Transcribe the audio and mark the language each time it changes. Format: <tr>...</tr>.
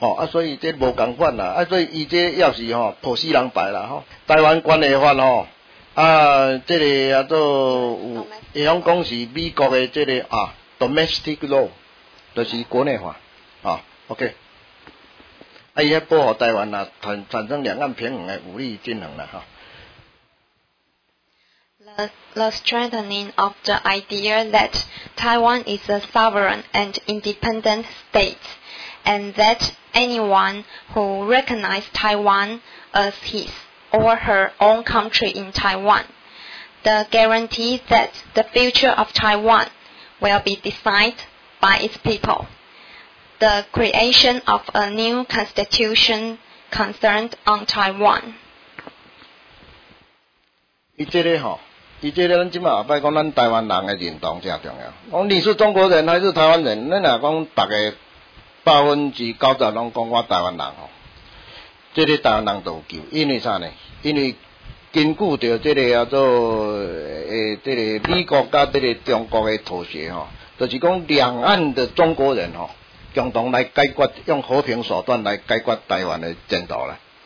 <nan>所以这无同款啦，所以伊这要是吼普世人牌啦吼、台湾关系法吼，这个啊都有，会用讲是美国的这个domestic law， 就是国内法，OK， 伊要保护台湾啦，产生两岸平衡的武力均衡啦哈。</nan> <en>The strengthening of the idea that Taiwan is a sovereign and independent state and that anyone who recognizes Taiwan as his or her own country in Taiwan, the guarantee that the future of Taiwan will be decided by its people, the creation of a new constitution concerned on Taiwan.</en> <nan>伊即个咱即马后摆讲，咱台湾人的认同正重要。讲你是中国人还是台湾人，恁若讲大家90%拢讲我台湾人吼，即、這个台湾人都有救。因为啥呢？因为根据着即个叫做即个美国甲即个中国的妥协吼，就是讲两岸的中国人吼，共同来解决，用和平手段来解决台湾的争斗啦。</nan>